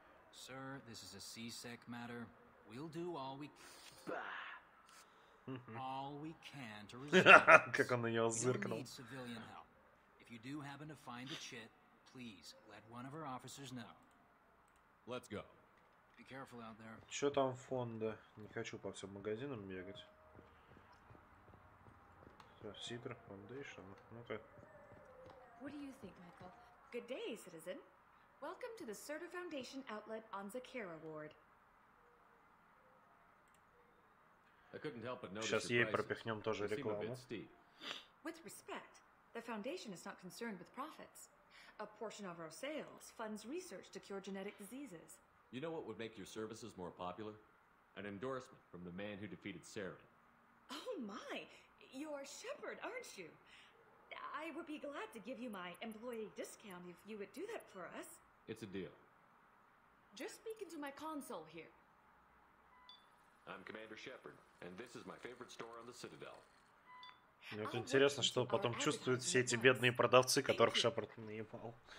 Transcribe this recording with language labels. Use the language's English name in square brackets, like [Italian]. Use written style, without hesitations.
[English] Sir, this is a C-Sec matter. We'll do all we can... all we can to resolve this. You don't need civilian help. If you do happen to find the chit, please let one of our officers know. Let's go. Be careful out there. [Russian] Чё там фонда? Не хочу по всем магазинам бегать. Citra Foundation. Ну-ка. [English] What do you think, Michael? Good day, citizen. Welcome to the Citra Foundation outlet on Zakira Ward. I couldn't help but notice. [Russian] Сейчас ей пропихнем тоже рекламу. [English] With respect, the foundation is not concerned with profits. A portion of our sales funds research to cure genetic diseases. You know what would make your services more popular? An endorsement from the man who defeated Saren. Oh my! You're Shepard, aren't you? I would be glad to give you my employee discount if you would do that for us. It's a deal. Just speak into my console here. I'm Commander Shepard, and this is my favorite store on the Citadel. [Russian] Мне вот интересно, что потом чувствуют все эти бедные продавцы, которых Шепард наебал.